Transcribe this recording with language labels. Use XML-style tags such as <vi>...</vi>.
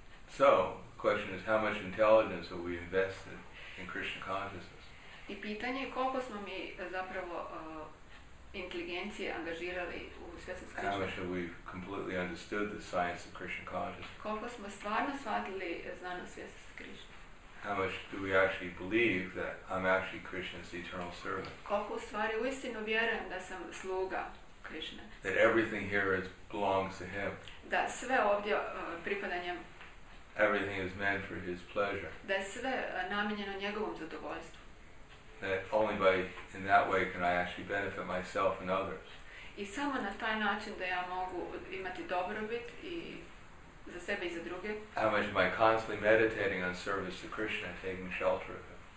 <en>So, the question is, how much intelligence have we invested in Krishna consciousness?</en> <hr>I pitanje je koliko smo mi zapravo inteligencije angažirali u svjesnost Krishna.</hr> <en>How much have we completely understood the science of Krishna consciousness?</en> <hr>Koliko smo stvarno shvatili znanost svjesnosti Krishna?</hr> <en>How much do we actually believe that I'm actually Krishna's eternal servant?</en> <hr>Koliko u stvari uistinu vjerujem da sam sluga Krishna?</hr> <en>That everything here is belongs to him.</en> <hr>Da sve ovdje pripada njemu.</hr> <en>Everything is meant for his pleasure.</en> <hr>Da je sve namijenjeno njegovom zadovoljstvu.</hr> <en>That only by in that way can I actually benefit myself and others.</en> <hr>I samo na taj način da ja mogu imati dobrobit i za sebe i za druge.</hr> <en>How much am I constantly meditating on service to Krishna and taking shelter of him?</en>